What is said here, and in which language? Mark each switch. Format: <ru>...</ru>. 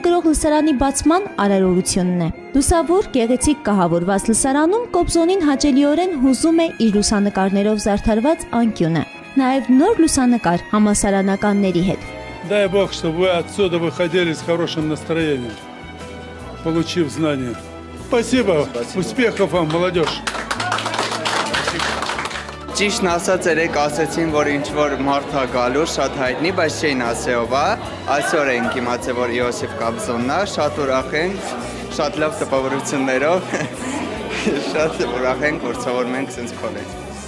<hy>Լսարանի բացման արարողությունն է։ Լուսավոր գեղեցիկ կահավորված լսարանում կոբզոնին հաճելիորեն հուզում է իր լուսանկարներով զարդարված անկյունը, նաև նոր լուսանկար համասարանականների հետ։</hy> <ru>Дай Бог, чтобы вы отсюда выходили с хорошим настроением, получив знания. Спасибо. Успехов вам, молодёжь.</ru> <hy>Ճիշտ ասած, երեք ասացին, որ ինչ որ մարդ է գալու, շատ հայտնի, բայց չէին ասել ով է։ Այսօր ենք իմացել, որ Իոսիֆ Կաբզոննա, շատ ուրախ ենք, շատ լավ տպավորություններով, շատ ուրախ ենք, որ ցավորում ենք սենց քոլեջ։</hy>